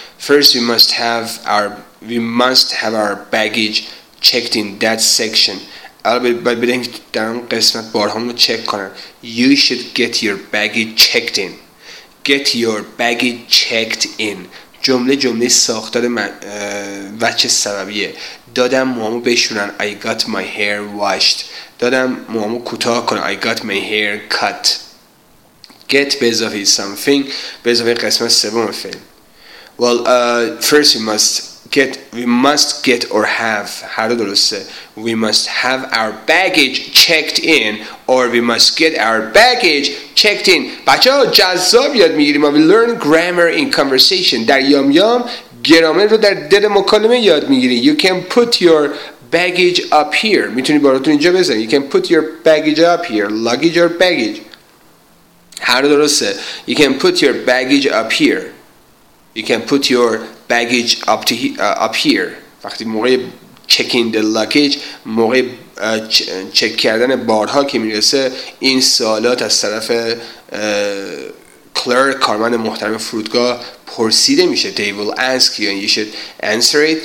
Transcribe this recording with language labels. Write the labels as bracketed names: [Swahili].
[English] First we must have our baggage checked in that section. [Persian] البته باید در اون قسمت بارهامون رو چک کنن. [English] You should get your baggage checked in. Get your baggage checked in. [Persian] جمله ساختار وجه سببیه. دادم موامو بشورن. [English] I got my hair washed. [Persian] دادم موامو کوتاه کنم. [English] I got my hair cut. [Persian] Get به اضافه something به اضافه قسمت سوم فعل. [English] Well, first we must get or have. [Persian] هر دو درسته. [English] We must have our baggage checked in or we must get our baggage checked in. [Persian] بچه ها جذاب یاد میگیریم. [English] We learn grammar in conversation. [Persian] در یام یام گرامر رو در دل مکالمه یاد میگیری. [English] You can put your baggage up here. [Persian] میتونی براتون اینجا بزنی. [English] You can put your baggage up here. Luggage or baggage. [Persian] هر درسته. [English] You can put your baggage up here. You can put your baggage up to up here. [Persian] وقتی موقع [English] checking the luggage [Persian] موقع چک کردن بارها که میرسه این سوالات از طرف clerk کارمند محترم فرودگاه پرسیده میشه. [English] They will ask you and you should answer it.